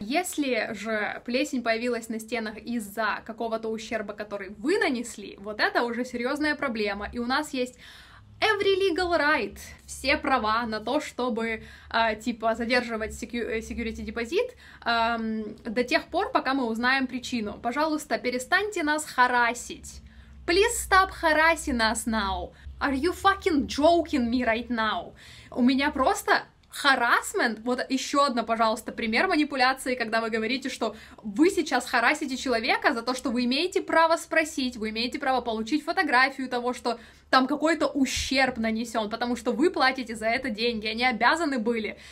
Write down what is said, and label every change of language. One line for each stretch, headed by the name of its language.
Russian: Если же плесень появилась на стенах из-за какого-то ущерба, который вы нанесли, вот это уже серьезная проблема. И у нас есть
English: every legal right,
Russian: все права на то, чтобы, типа, задерживать security deposit до тех пор, пока мы узнаем причину. Пожалуйста, перестаньте нас харасить.
English: Please stop harassing us now. Are you fucking joking me right now?
Russian: У меня просто... Харассмент, вот еще одна, пожалуйста, пример манипуляции, когда вы говорите, что вы сейчас харасите человека за то, что вы имеете право спросить, вы имеете право получить фотографию того, что там какой-то ущерб нанесен, потому что вы платите за это деньги, они обязаны были.